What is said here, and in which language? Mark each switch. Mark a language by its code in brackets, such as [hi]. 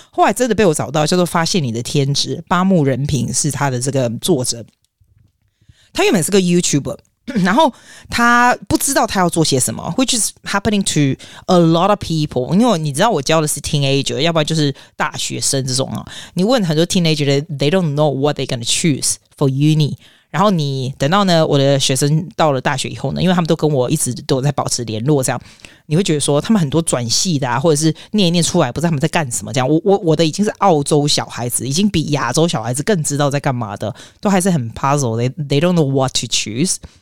[zh] 后来真的被我找到，叫做《发现你的天职》，八木仁平是他的这个作者。他原本是个 YouTuber， 然后他不知道他要做些什么， which is happening to a lot of people，因为你知道我教的是 teenager， 要不然就是大学生这种啊。 [en] 你问很多 teenager， they don't know what they're gonna choose for uni。 [zh] 然后你等到呢，我的学生到了大学以后呢，因为他们都跟我一直都在保持联络，这样你会觉得说他们很多转系的啊，或者是念一念出来不知道他们在干什么这样。我的已经是澳洲小孩子，已经比亚洲小孩子更知道在干嘛的，都还是很 puzzle， they don't know what to choose。